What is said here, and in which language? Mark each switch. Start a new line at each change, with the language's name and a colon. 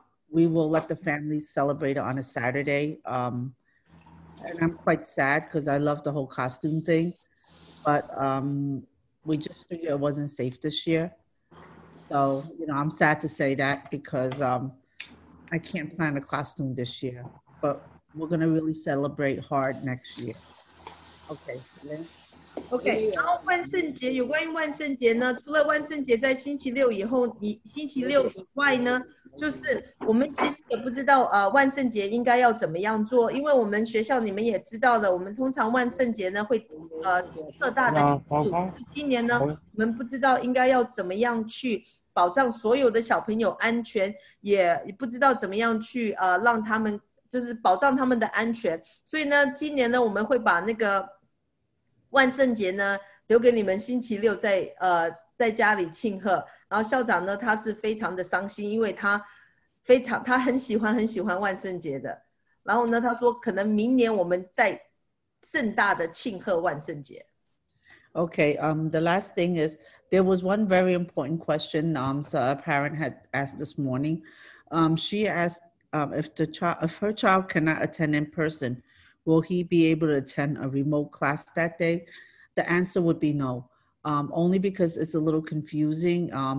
English: We will let the families celebrate on a Saturday. And I'm quite sad because I love the whole costume thing. But we just figured it wasn't safe this year. So, you know, I'm sad to say that because I can't plan a costume this year. But we're going to really celebrate hard next year. Okay.
Chinese: OK, 然后万圣节，有关于万圣节呢，除了万圣节在星期六以后，星期六以外呢，就是我们其实也不知道万圣节应该要怎么样做，因为我们学校你们也知道了，我们通常万圣节呢会特大的庆祝，今年呢我们不知道应该要怎么样去保障所有的小朋友安全，也不知道怎么样去让他们就是保障他们的安全，所以呢今年呢我们会把那个万圣节呢留给你们星期六在家里庆贺。然后校长呢他是非常的伤心，因为他很喜欢万圣节的。然后呢他说可能明年我们再盛大的庆贺万圣节。
English: Okay, the last thing is there was one very important question so a parent had asked this morning. She asked if her child cannot attend in person,will he be able to attend a remote class that day? The answer would be no, only because it's a little confusing.